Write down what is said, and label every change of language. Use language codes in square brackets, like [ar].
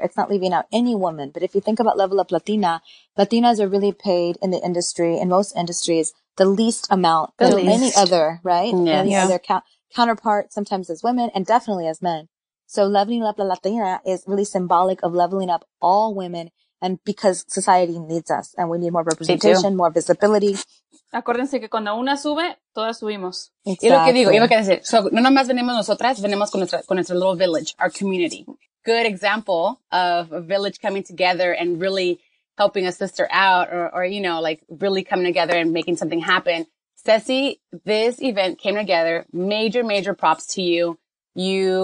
[en] It's not leaving out any woman. But if you think about Level Up Latina, Latinas are really paid in the industry, in most industries, the least amount than any other, right? Yeah. Any other counterpart, sometimes as women and definitely as men. So Leveling Up La Latina is really symbolic of leveling up all women. And because society needs us and we need more representation, more visibility. [es] Acuérdense que cuando una sube, todas subimos. [en] Exactly. [es] Y lo que digo, y lo que decir. So, no nomás venimos nosotras, venimos con nuestra [en] little village, our community. Good example of a village coming together and really helping a sister out or, you know, like really coming together and making something happen. Ceci, this event came together. Major, major props to you. You